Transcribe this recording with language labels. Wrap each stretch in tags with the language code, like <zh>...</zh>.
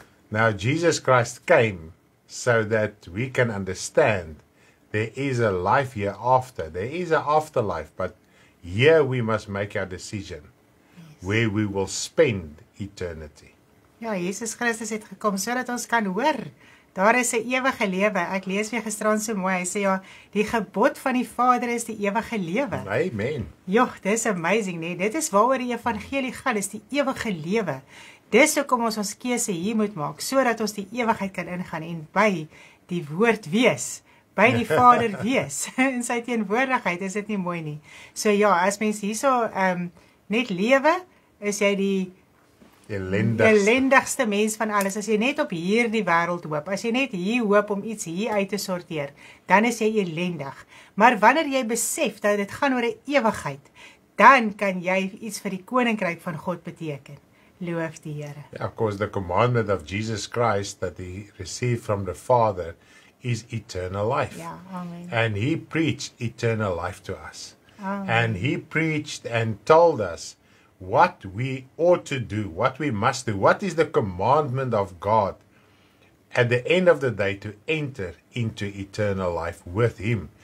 <en>Now, Jesus Christ came so that we can understand there is a life hereafter. There is an afterlife, but here we must make our decision where we will spend eternity.</en> <af>Ja, Jesus Christus het gekom sodat ons kan hoor. Daar is 'n ewige lewe. Ek lees weer gisteraan so mooi. Hy sê ja, die gebod van die Vader is die ewige lewe. Amen. Jog, dis amazing, nee. Dit is waaroor die evangelie gaan, is die ewige lewe. Dis hoekom ons ons keuse hier moet maak, sodat ons die ewigheid kan ingaan en by die woord wees, by die Vader wees. In sy teenwoordigheid is dit nie mooi nie. So ja, as mens hierso net lewe, is jy die Elendigste mens van alles. As jy net op hierdie wêreld hoop, as jy net hier hoop om iets hier uit te sorteer, dan is jy elendig. Maar wanneer jy besef dat dit gaan oor 'n ewigheid, dan kan jy iets vir die koninkryk van God beteken. Loof die Here.</af> <en>Yeah, of course, the commandment of Jesus Christ that he received from the Father is eternal life. Yeah, amen. And he preached eternal life to us. Amen. And he preached and told us what we ought to do, what we must do, what is the commandment of God at the end of the day to enter into eternal life with Him.</en>